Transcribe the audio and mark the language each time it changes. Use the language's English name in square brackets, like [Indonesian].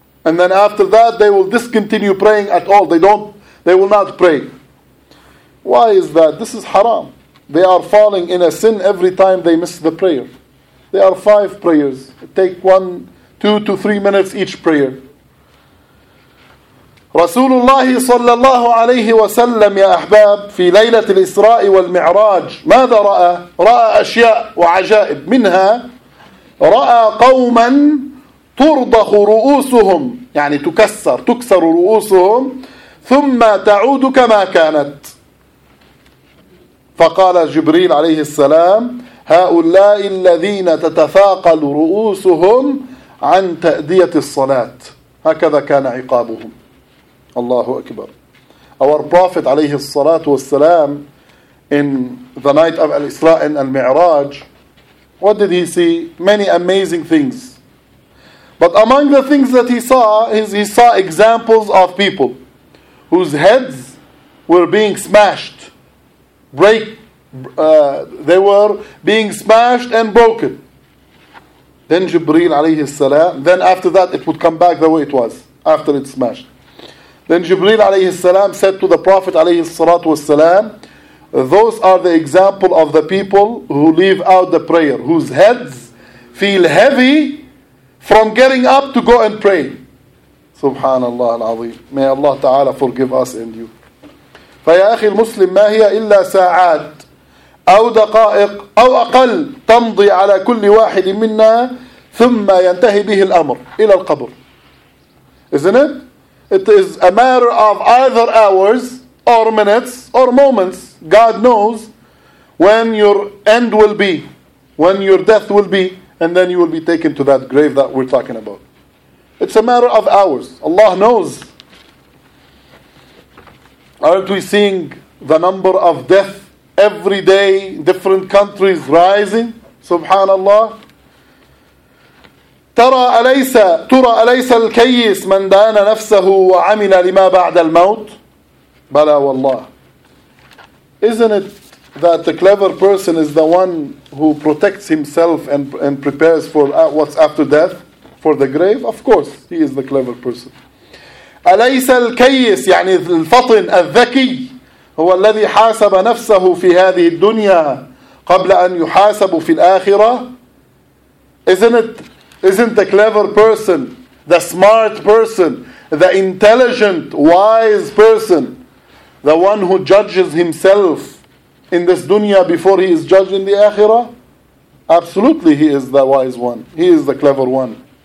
[English] And then after that, they will discontinue praying at all. They will not pray. Why is that? This is haram. They are falling in a sin every time they miss the prayer. There are 5 prayers. Take 2 to 3 minutes each prayer. [Arabic] رسول الله صلى الله عليه وسلم يا أحباب في ليلة الإسراء والمعراج ماذا رأى؟ رأى أشياء وعجائب، منها رأى قوما ترضخ رؤوسهم، يعني تكسر رؤوسهم، ثم تعود كما كانت. فقال جبريل عليه السلام هؤلاء الذين تتثاقل رؤوسهم عن تأدية الصلاة. هكذا كان عقابهم. Allahu Akbar. [English] Our Prophet alayhi salatu wassalam in the night of Al-Isra and Al-Mi'raj, what did he see? Many amazing things. But among the things that he saw, he saw examples of people whose heads were being smashed. They were being smashed and broken. Then Jibreel alayhi salam, then after that it would come back the way it was after it smashed. Then Jibreel alayhi salam said to the Prophet alayhi salatu wassalam, those are the example of the people who leave out the prayer, whose heads feel heavy from getting up to go and pray. Subhanallah al-Azim. May Allah Ta'ala forgive us and you. [Arabic] فَيَا أَخِي الْمُسْلِمْ مَا هِيَ إِلَّا سَاعَاتٍ أَوْ دَقَائِقٍ أَوْ أَقَلْ تَمْضِي عَلَى كُلِّ وَاحِدٍ مِنَّا ثُمَّ يَنْتَهِي بِهِ الْأَمْرِ إلى القبر. [English] Isn't it? It is a matter of either hours or minutes or moments. God knows when your end will be, when your death will be, and then you will be taken to that grave that we're talking about. It's a matter of hours. Allah knows. Aren't we seeing the number of death every day, different countries rising? Subhanallah. [Arabic] ترى أليس الكيس من دان نفسه وعمل لما بعد الموت؟ بلى والله. [English] Isn't it that the clever person is the one who protects himself and prepares for what's after death, for the grave? Of course, he is the clever person. [Arabic] أليس الكيس يعني الفطن الذكي هو الذي حاسب نفسه في هذه الدنيا قبل أن يحاسب في الآخرة؟ [English] Isn't the clever person, the smart person, the intelligent, wise person, the one who judges himself in this dunya before he is judged in the akhirah? Absolutely, he is the wise one. He is the clever one.